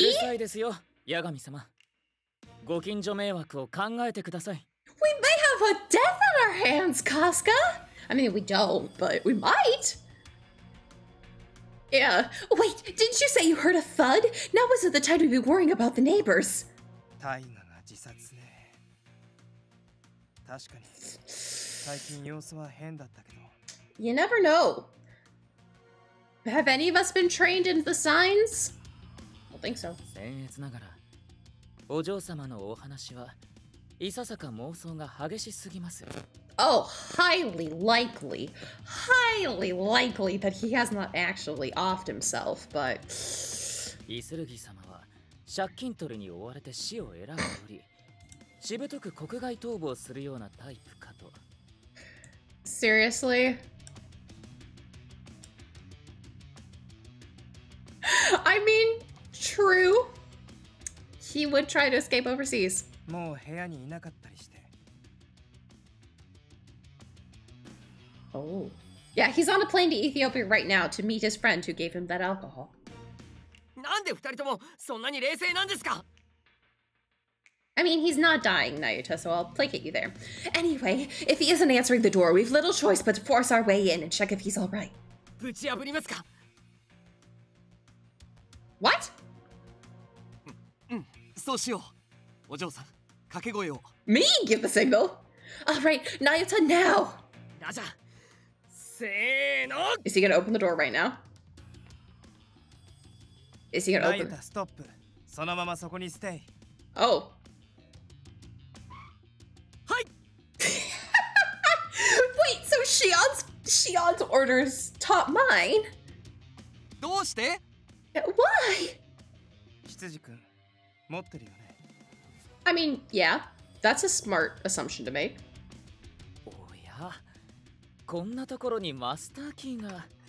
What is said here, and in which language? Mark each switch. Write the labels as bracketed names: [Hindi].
[Japanese] うるさいですよ、ヤガミ様。ご近所迷惑を考えてください。 [English] We may have a death on our hands, Casca! I mean, we don't, but we might! Yeah. Wait, didn't you say you heard a thud? Now wasn't the time to be worrying about the neighbors. [Japanese] Taiga が自殺ね。確かに、最近様子は変だったけど。 [English] You never know. Have any of us been trained in the signs? I don't think so. [Japanese] 僭越ながら、お嬢様のお話は…いささか妄想が激しすぎます。 [English] Oh, highly likely. Highly likely that he has not actually offed himself, but... [Japanese] イスルギ様は借金取りに追われて死を選ぶより、しぶとく国外逃亡するようなタイプかと。 [English] Seriously? I true. He would try to escape overseas. [Japanese] もう部屋にいなかったりして。 [English] Oh. Yeah, he's on a plane to Ethiopia right now to meet his friend who gave him that alcohol. [Japanese] なんで二人ともそんなに冷静なんですか? [English] I mean, he's not dying, Nayuta, so I'll placate you there. Anyway, if he isn't answering the door, we've little choice but to force our way in and check if he's all right. [Japanese] ぶち破りますか? [English] What? [Japanese] そうしよう。お嬢さん、掛け声を。 [English] Me? Give the signal? All right, Nayuta, now! [Japanese] ラジャ、せーの! [English] Is he gonna open the door right now? Is he gonna open? Nayuta, stop. [Japanese] そのままそこに [English] stay. Oh. Wait, so Shion's orders top mine? [Japanese] どうして? [English] Why? [Japanese] 羊くん、持ってるよね? [English] I mean, yeah, that's a smart assumption to make. [Japanese] おや、こんなところにマスターキーが。